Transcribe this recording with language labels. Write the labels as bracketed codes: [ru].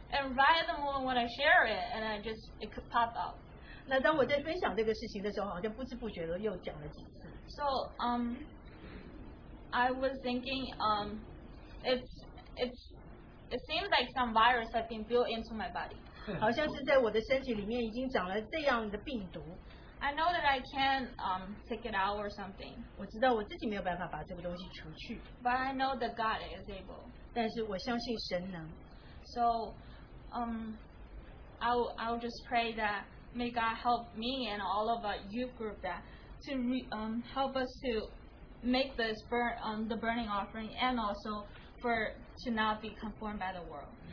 [en] And right at the moment when I share it, and I just it could pop up. [zh] 那当我在分享这个事情的时候，好像不知不觉的又讲了几次。 [en] So I was thinking it seems like some virus has been built into my body. [zh] 好像是在我的身体里面已经长了这样的病毒。 [en] I know that I can't take it out or something. [zh] 我知道我自己没有办法把这个东西除去。 [en] But I know that God is able. [zh] 但是我相信神能。 [en] So, I'll just pray that may God help me and all of our youth group that to help us to make this burn the burning offering and also for to not be conformed by the world.